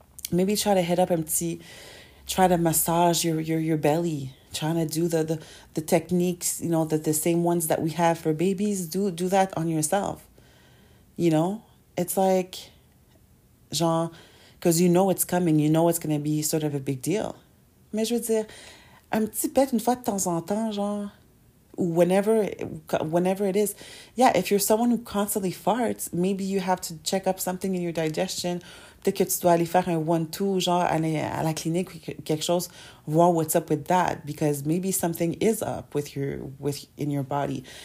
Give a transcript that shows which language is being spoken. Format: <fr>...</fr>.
<en>Maybe try to hit up</en> <fr>un petit,</fr> <en>try to massage your belly, trying to do the techniques, you know, the same ones that we have for babies. Do that on yourself, you know? It's like,</en> <fr>genre,</fr> <en>because you know it's coming, you know it's going to be sort of a big deal.</en> <fr>Mais je veux dire, un petit pet une fois de temps en temps, genre...</fr> <en>Whenever it is. Yeah, if you're someone who constantly farts, maybe you have to check up something in your digestion.</en> <fr>Peut-être que tu dois aller faire un 1-2, genre aller à la clinique ou quelque chose, voir</fr> <en>what's up with that, because maybe something is up in your body.</en>